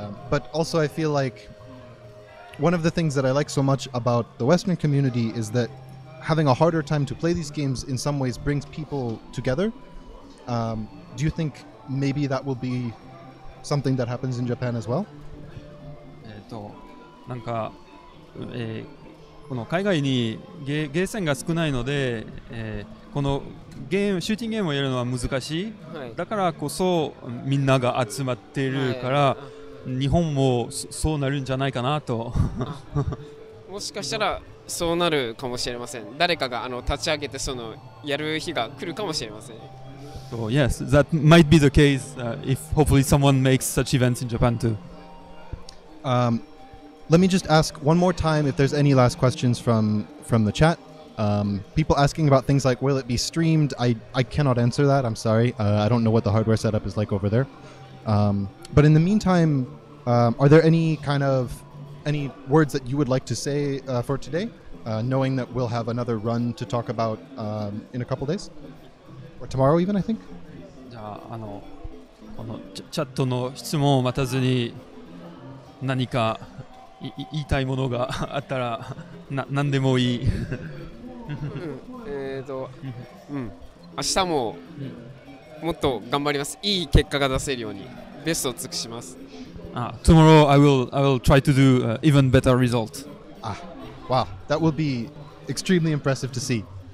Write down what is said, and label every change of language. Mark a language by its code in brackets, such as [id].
[en] But also I feel like one of the things that I like so much about the Western community is that having a harder time to play these games in some ways brings people together. Do you think maybe that will be something that happens in Japan as well? [ja] なんかこの海外にゲーセンが少ないので、このゲームシューティングゲームをやるのは難しい、はい、だからこそみんなが集まっているから、はい、日本も そうなるんじゃないかなともしかしたらそうなるかもしれません。誰かがあの立ち上げてそのやる日が来るかもしれません。 [en] So, Yes, that might be the case、if hopefully someone makes such events in Japan too、 Let me just ask one more time if there's any last questions from the chat. People asking about things like, will it be streamed? I cannot answer that, I'm sorry. I don't know what the hardware setup is like over there. But in the meantime, are there any words that you would like to say for today? Knowing that we'll have another run to talk about in a couple days? Or tomorrow even, I think? [ja] このチャットの質問を待たずに何か言いたいものがあったら何でもいい。明日ももっと頑張ります。いい結果が出せるようにベストを尽くします。 [en] Tomorrow I will try to do even better result. Ah, wow, that will be extremely impressive to see.